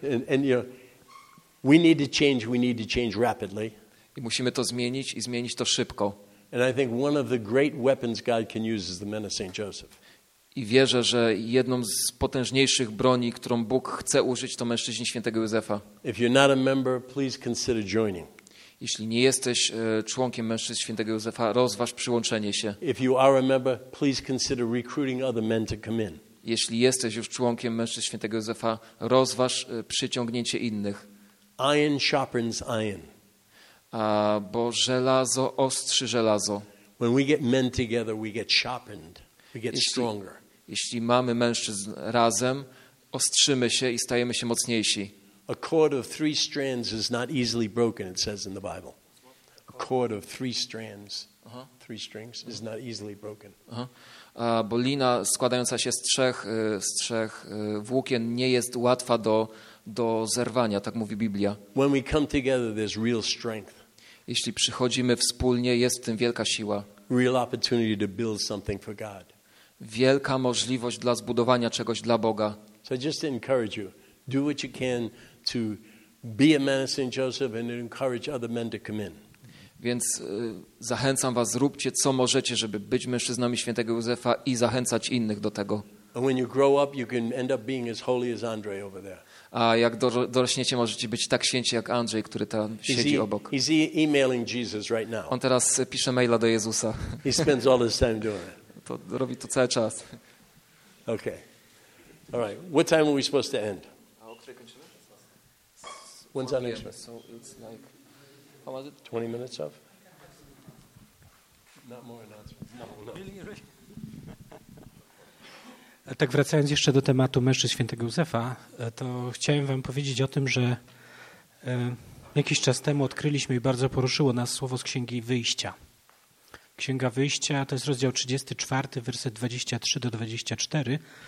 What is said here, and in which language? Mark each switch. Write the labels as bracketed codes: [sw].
[en] And you know, we need to change rapidly. [pl] I musimy to zmienić i zmienić to szybko. [en] And I think one of the great weapons God can use is the men of St. Joseph. [pl] I wierzę, że jedną z potężniejszych broni, którą Bóg chce użyć, to mężczyźni Świętego Józefa. [en] If you're not a member, please consider joining. [pl] Jeśli nie jesteś członkiem mężczyzn Świętego Józefa, rozważ przyłączenie się. [en] If you are a member, please consider recruiting other men to come in. [pl] Jeśli jesteś już członkiem mężczyzn Świętego Józefa, rozważ przyciągnięcie innych. [en] Iron sharpens iron. [pl] Bo żelazo ostrzy żelazo. [en] When we get men together, we get sharpened. We get stronger. [pl] Jeśli mamy mężczyzn razem, ostrzymy się i stajemy się mocniejsi. [en] A cord of three strands is not easily broken, it says in the Bible. A cord of three strands, three strings is not easily broken. [pl] Bo lina składająca się z trzech włókien nie jest łatwa do zerwania, tak mówi Biblia. [en] When we come together, there's real strength. [pl] Jeśli przychodzimy wspólnie, jest w tym wielka siła. [en] Real opportunity to build something for God. [pl] Wielka możliwość dla zbudowania czegoś dla Boga. [en] So I just encourage you, do what you can to be a man of St. Joseph and encourage other men to come in. [pl] Więc zachęcam was, róbcie co możecie, żeby być mężczyznami Świętego Józefa i zachęcać innych do tego. [en] And when you grow up, you can end up being as holy as Andre over there. [pl] A jak dorośniecie, możecie być tak święci jak Andrzej, który tam siedzi obok. [en] He's emailing Jesus right now. [pl] On teraz pisze maila do Jezusa. [en] He spends all his time doing it. [pl] To robi to cały czas. [en] Okay. All right. What time are we supposed to end? [pl] A o której kończymy? [en] When's our next one? So it's like, how was it? 20 minutes of? Not more announcements. No. Really? [pl] Tak wracając jeszcze do tematu mężczyzn świętego Józefa, to chciałem wam powiedzieć o tym, że jakiś czas temu odkryliśmy i bardzo poruszyło nas słowo z Księgi Wyjścia. Księga Wyjścia to jest rozdział 34, werset 23-24.